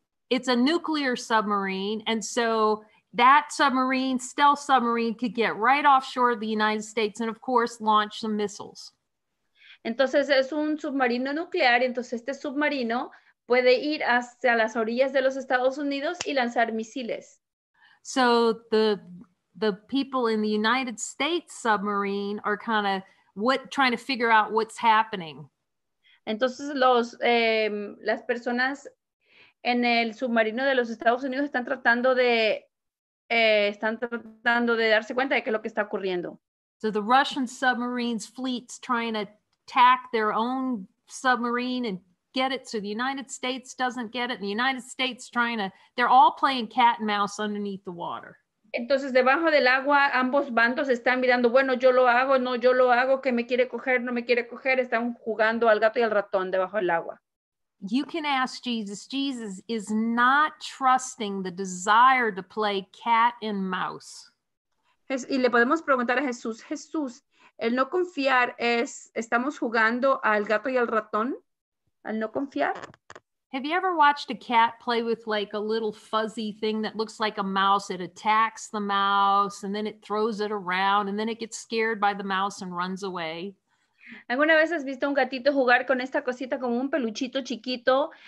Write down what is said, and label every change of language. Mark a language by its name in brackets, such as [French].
[English] It's a nuclear submarine, and so that submarine, stealth submarine, could get right offshore of the United States and, of course, launch some missiles. [Spanish] Entonces, es un submarino nuclear, entonces este submarino puede ir hacia las orillas de los Estados Unidos y lanzar misiles. [English] So the people in the United States submarine are kind of trying to figure out what's happening. [Spanish] Entonces, las personas en el submarino de los Estados Unidos están tratando de darse cuenta de qué es lo que está ocurriendo. [English] So the Russian submarine's fleet's trying to attack their own submarine and get it, so the United States doesn't get it. And the United States trying to, they're all playing cat and mouse underneath the water. [Spanish] Entonces, debajo del agua, ambos bandos están mirando, bueno, yo lo hago, no, yo lo hago, que me quiere coger, no me quiere coger, están jugando al gato y al ratón debajo del agua. [English] You can ask Jesus. Jesus is not trusting the desire to play cat and mouse. [Spanish] Y le podemos preguntar a Jesús, Jesús, el no confiar es, estamos jugando al gato y al ratón, al no confiar. [English] Have you ever watched a cat play with like a little fuzzy thing that looks like a mouse? It attacks the mouse and then it throws it around and then it gets scared by the mouse and runs away. [Spanish] ¿Alguna vez has visto un gatito jugar con esta cosita como un peluchito chiquito?